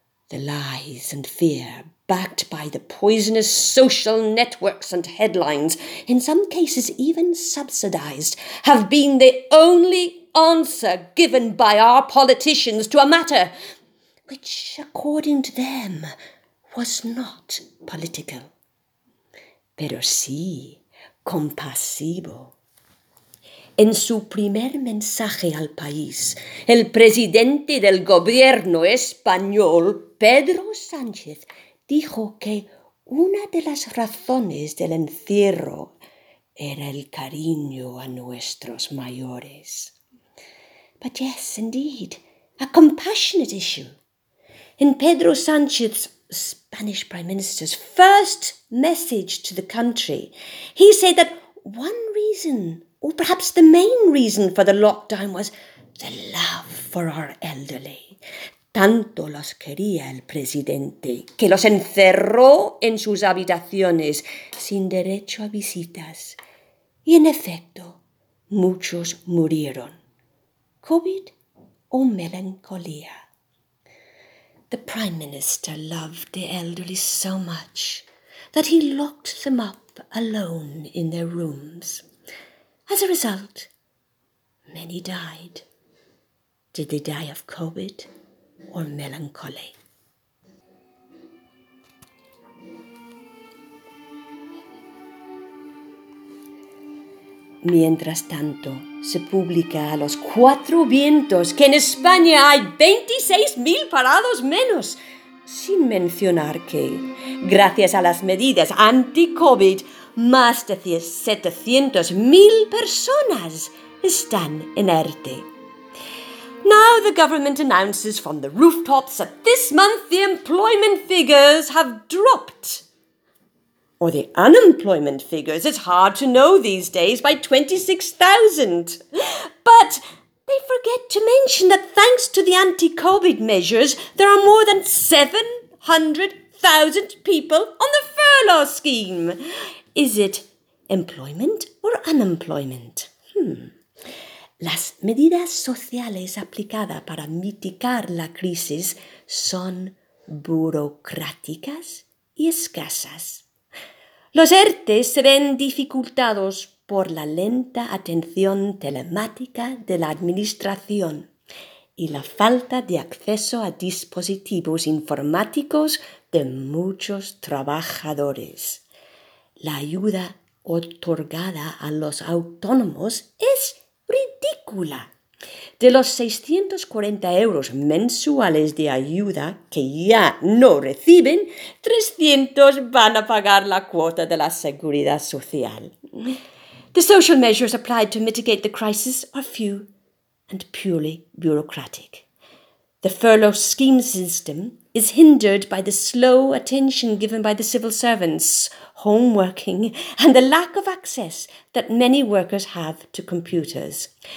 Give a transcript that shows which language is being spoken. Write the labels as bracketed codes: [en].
[en] The lies and fear, backed by the poisonous social networks and headlines, in some cases even subsidized, have been the only answer given by our politicians to a matter which, according to them, was not political. [es] Pero sí, compasivo. En su primer mensaje al país, el presidente del gobierno español, Pedro Sánchez, dijo que una de las razones del encierro era el cariño a nuestros mayores. [en] But yes, indeed, a compassionate issue. In Pedro Sánchez, Spanish Prime Minister's first message to the country, he said that one reason, or perhaps the main reason for the lockdown was the love for our elderly. [es] Tanto los quería el presidente que los encerró en sus habitaciones sin derecho a visitas. Y en efecto, muchos murieron. COVID o melancolía. [en] The Prime Minister loved the elderly so much that he locked them up alone in their rooms. As a result, many died. Did they die of COVID or melancholy? [es] Mientras tanto, se publica a los cuatro vientos que en España hay 26.000 parados menos, sin mencionar que, gracias a las medidas anti-COVID, más de 700.000 personas están en ERTE. [en] Now the government announces from the rooftops that this month the employment figures have dropped. Or the unemployment figures, it's hard to know these days, by 26,000. But they forget to mention that thanks to the anti-COVID measures, there are more than 700,000 people on the furlough scheme. Is it employment or unemployment? [es] Las medidas sociales aplicadas para mitigar la crisis son burocráticas y escasas. Los ERTE se ven dificultados por la lenta atención telemática de la administración y la falta de acceso a dispositivos informáticos de muchos trabajadores. La ayuda otorgada a los autónomos es ridícula. De los 640 euros mensuales de ayuda que ya no reciben, 300 van a pagar la cuota de la Seguridad Social. [en] The social measures applied to mitigate the crisis are few and purely bureaucratic. The furlough scheme system is hindered by the slow attention given by the civil servants, home working, and the lack of access that many workers have to computers.